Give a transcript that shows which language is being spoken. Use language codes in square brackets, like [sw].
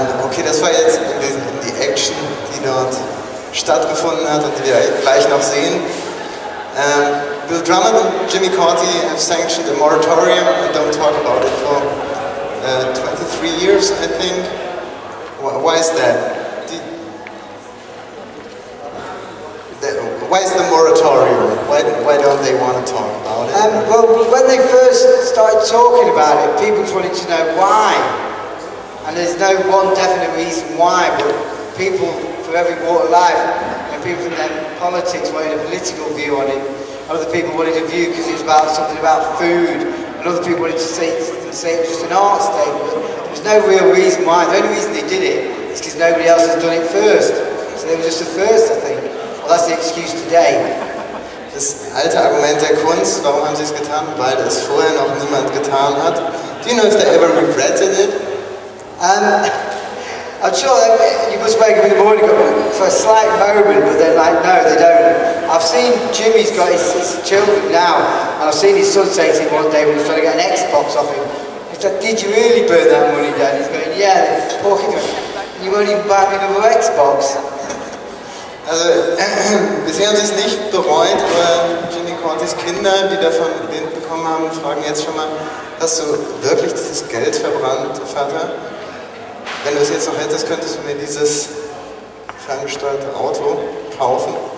[de] Okay, das war jetzt die Action, die dort stattgefunden hat und die wir gleich noch sehen. [en] Bill Drummond und Jimmy Carty have sanctioned a moratorium. We don't talk about it for 23 years, I think. Why is that? Why is the moratorium? Why don't they want to talk about it? Well, when they first started talking about it, people wanted to know why. And there's no one definite reason why, but people for every walk of life, you know, people from their politics wanted a political view on it. Other people wanted a view because it was about something about food. And other people wanted to say it was just an art statement. There's no real reason why. The only reason they did it is because nobody else has done it first. So they were just the first, I think. Well, that's the excuse today. [de] Das alte Argument der Kunst, warum haben sie es getan? Weil es vorher noch niemand getan hat. [en] Do you know if they ever regretted it? I'm sure you must wake up in the morning for a slight moment, but they're like, no, they don't. I've seen Jimmy's got his children now, and I've seen his son say to him one day when he's trying to get an Xbox off him, he said, did you really burn that money down? He's going, yeah, poor kid, you won't even buy me another Xbox. [de] Also, bisher haben sie es nicht bereut, aber Jimmy Cortys Kinder, die davon Wind bekommen haben, fragen jetzt schon mal, hast du wirklich dieses Geld verbrannt, Vater? Wenn du es jetzt noch hättest, könntest du mir dieses ferngesteuerte Auto kaufen.